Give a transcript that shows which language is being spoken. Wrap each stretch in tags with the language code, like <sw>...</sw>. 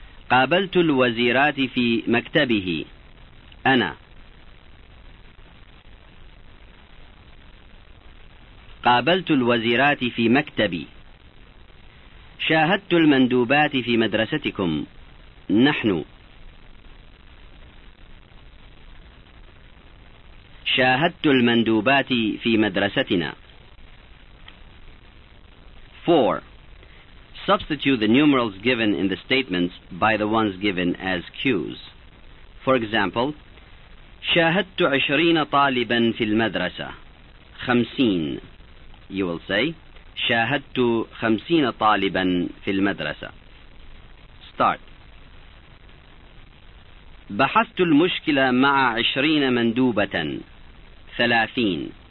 <ar>قابلت الوزيرات في مكتبه. أنا قابلت الوزيرات في مكتبي. شاهدت المندوبات في مدرستكم. نحن شاهدت المندوبات في مدرستنا.</ar> <en>4. Substitute the numerals given in the statements by the ones given as cues. For example,</en> <ar>شاهدت 20 طالبا في المدرسة. 50.</ar> <en>You will say</en> <ar>شاهدت 50 طالبا في المدرسة.</ar> <en>Start.</en> <ar>بحثت المشكلة مع 20 مندوبة. 30.</ar>